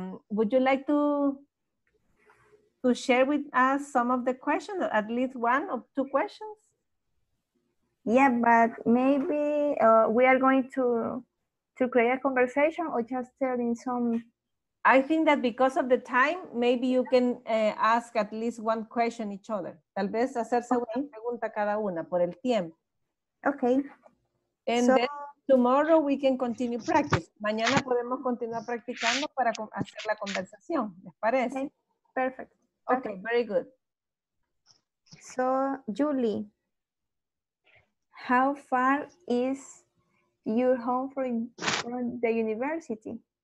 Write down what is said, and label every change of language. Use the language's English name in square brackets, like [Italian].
[English] Would you like to share with us some of the questions, at least 1 or 2 questions? Yeah, but maybe we are going to create a conversation or just telling some. I think that because of the time, maybe you can ask at least 1 question each other. [Spanish] Tal vez hacerse una pregunta cada una por el tiempo. [English] Okay. And so, then tomorrow we can continue practice. [Spanish] Mañana podemos continuar practicando para hacer la conversación. ¿Les parece? [English] Okay. Perfect. Okay, very good. So, Julie, how far is your home from the university?